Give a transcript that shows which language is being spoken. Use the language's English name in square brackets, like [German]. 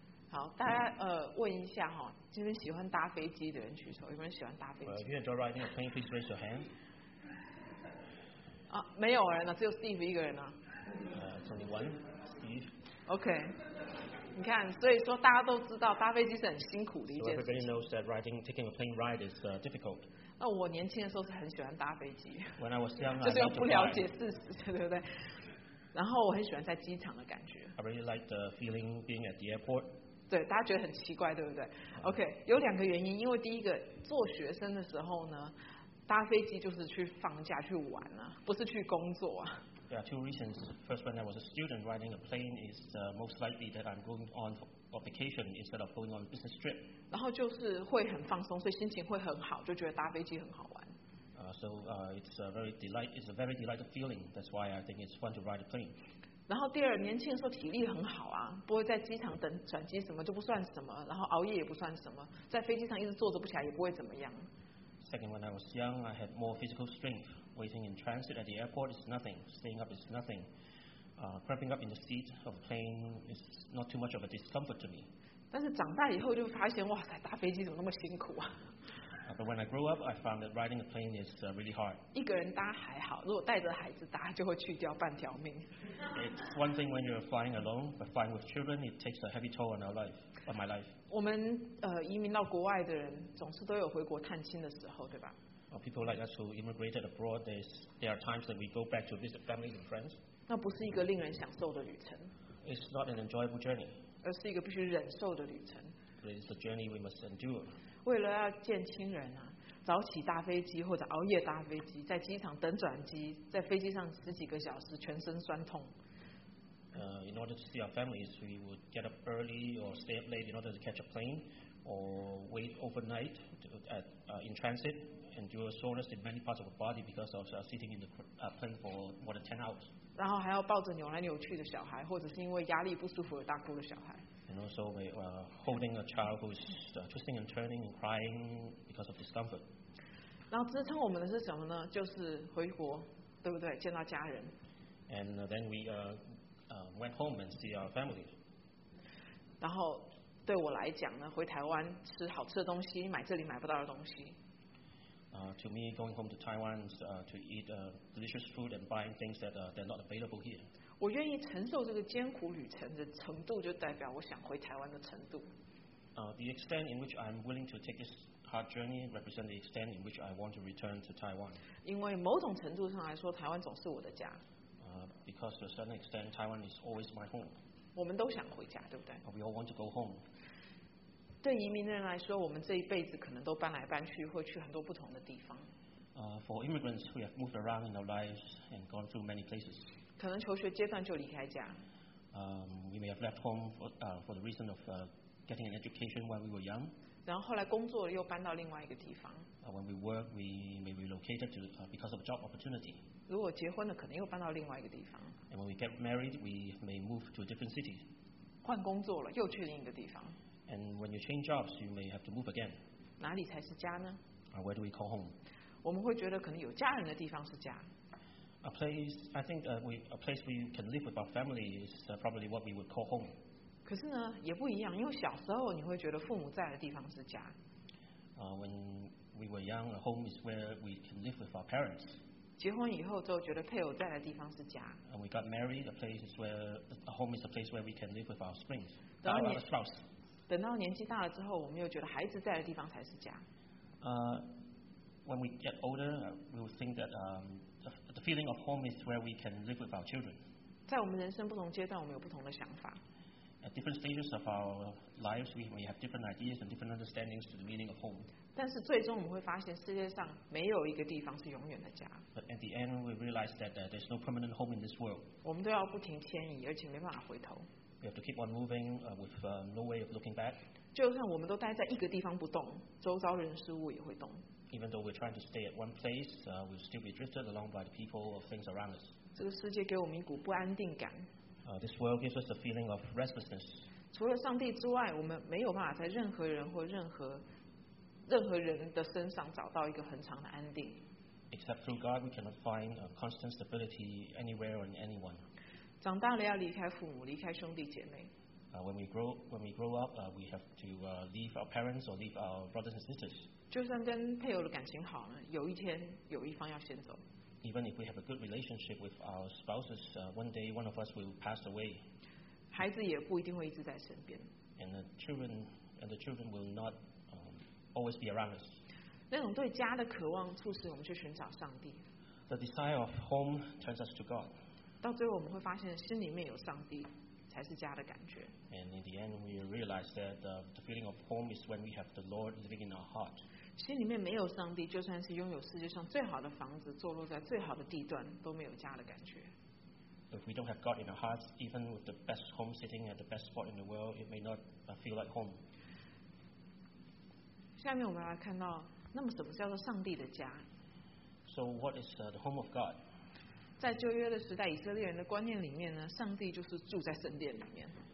[Chinese] 好，大家问一下哈，这边喜欢搭飞机的人举手，有没有喜欢搭飞机 [English] ？If you enjoy riding a plane, please raise your hand. [Chinese] 没有人了，只有 Steve 一个人了。 [English] It's only one, Steve. Okay. [Chinese] 你看，所以说大家都知道搭飞机是很辛苦的一件事情。 [English] So everybody knows that riding, taking a plane ride is difficult. [Chinese] 那我年轻的时候是很喜欢搭飞机。 [English] When I was young, [Chinese] 就是又不了解事实，对不对？然后我很喜欢在机场的感觉。 [English] I really like the feeling being at the airport. [Chinese] 对，大家觉得很奇怪，对不对 ？OK， 有两个原因，因为第一个，做学生的时候呢，搭飞机就是去放假去玩啊，不是去工作啊。 [English] There are two reasons. First, when I was a student, riding a plane is most likely that I'm going on a vacation instead of going on a business trip. [Chinese] 然后就是会很放松，所以心情会很好，就觉得搭飞机很好玩。 [English] It's a very delightful feeling. That's why I think it's fun to ride a plane. [Chinese] 然后第二，年轻的时候体力很好啊，不会在机场等转机什么就不算什么，然后熬夜也不算什么，在飞机上一直坐着不起来也不会怎么样。 [English] Second, when I was young, I had more physical strength. Waiting in transit at the airport is nothing. Staying up is nothing. Cramping up in the seat of a plane is not too much of a discomfort to me. [Chinese] 但是长大以后就发现，哇塞，搭飞机怎么那么辛苦啊？ [English] But when I grew up, I found that riding a plane is really hard. [Chinese] 一个人搭还好，如果带着孩子搭，就会去掉半条命。 [English] It's one thing when you're flying alone, but flying with children, it takes a heavy toll on our life, on my life. [Chinese] 我们移民到国外的人，总是都有回国探亲的时候，对吧？ [English] People like us who immigrated abroad, there are times that we go back to visit families and friends. [Chinese] 那不是一个令人享受的旅程。 [English] It's not an enjoyable journey. [Chinese] 而是一个必须忍受的旅程。 [English] It's a journey we must endure. [Chinese] 为了要见亲人啊，早起搭飞机或者熬夜搭飞机，在机场等转机，在飞机上十几个小时，全身酸痛。 [English] In order to see our families, we would get up early or stay up late in order to catch a plane, or wait overnight in transit, endure soreness in many parts of the body because of sitting in the plane for more than 10 hours. [Chinese] 然后还要抱着扭来扭去的小孩，或者是因为压力不舒服而大哭的小孩。 [English] And also holding a child who's twisting and turning and crying because of discomfort. [Chinese] 然后支撑我们的是什么呢？就是回国，对不对？见到家人。 [English] And then we went home and see our family. [Chinese] 然后对我来讲呢，回台湾吃好吃的东西，买这里买不到的东西。 [English] To me, going home to Taiwan to eat delicious food and buying things that they're not available here. [Chinese] 我愿意承受这个艰苦旅程的程度，就代表我想回台湾的程度。 [English] The extent in which I'm willing to take this hard journey represents the extent in which I want to return to Taiwan. [Chinese] 因为某种程度上来说，台湾总是我的家。 [English] Because to a certain extent, Taiwan is always my home. [Chinese] 我们都想回家，对不对？ [English] We all want to go home. [Chinese] 对移民的人来说，我们这一辈子可能都搬来搬去，会去很多不同的地方。 [English] For immigrants, we have moved around in our lives and gone through many places. [Chinese] 可能求学阶段就离开家。 [English] We may have left home for the reason of getting an education while we were young. [Chinese] 然后后来工作又搬到另外一个地方。 [English] When we work, we may be relocated to because of job opportunity. [Chinese] 如果结婚了，可能又搬到另外一个地方。 [English] And when we get married, we may move to a different city. [Chinese] 换工作了，又去另一个地方。 [English] And when you change jobs, you may have to move again. [Chinese] 哪里才是家呢？ [English] Or where do we call home? [Chinese] 我们会觉得可能有家人的地方是家。 [English] A place we can live with our family is probably what we would call home. [Chinese] 可是呢，也不一样，因为小时候你会觉得父母在的地方是家。 [English] When we were young, a home is where we can live with our parents. [Chinese] 结婚以后就觉得配偶在的地方是家。 [English] And we got married, a home is a place where we can live with our spouse. [Chinese] 等到年纪大了之后，我们又觉得孩子在的地方才是家。 [English] When we get older, we will think that the feeling of home is where we can live with our children. [Chinese] 在我们人生不同阶段，我们有不同的想法。 [English] At different stages of our lives, we may have different ideas and different understandings to the meaning of home. [Chinese] 但是最终我们会发现，世界上没有一个地方是永远的家。 [English] But at the end, we realize that there's no permanent home in this world. [Chinese] 我们都要不停迁移，而且没办法回头。 [English] We have to keep on moving with no way of looking back. [Chinese] 就算我们都待在一个地方不动，周遭人事物也会动。 [English] Even though we're trying to stay at one place, we'll still be drifted along by the people or things around us. [Chinese] 这个世界给我们一股不安定感。 [English] This world gives us a feeling of restlessness. [Chinese] 除了上帝之外，我们没有办法在任何人或任何人的身上找到一个恒常的安定。 [English] Except through God, we cannot find a constant stability anywhere or in anyone. [Chinese] 长大了要离开父母，离开兄弟姐妹。 [English] When we grow up, we have to leave our parents or leave our brothers and sisters. [Chinese] 就算跟配偶的感情好呢，有一天有一方要先走。 [English] Even if we have a good relationship with our spouses, one day one of us will pass away. [Chinese] 孩子也不一定会一直在身边。 [English] And the children, and the children will not always be around us. [Chinese] 那种对家的渴望促使我们去寻找上帝。 [English] The desire of home turns us to God. [Chinese] 到最后我们会发现心里面有上帝才是家的感觉。 [English] And in the end, we realize that the feeling of home is when we have the Lord living in our heart. [Chinese] 心里面没有上帝，就算是拥有世界上最好的房子，坐落在最好的地段，都没有家的感觉。 [English] If we don't have God in our hearts, even with the best home sitting at the best spot in the world, it may not feel like home. [Chinese] 下面我们来看到，那么什么叫做上帝的家？ [English] So what is the home of God? [Chinese] 在旧约的时代，以色列人的观念里面呢，上帝就是住在圣殿里面。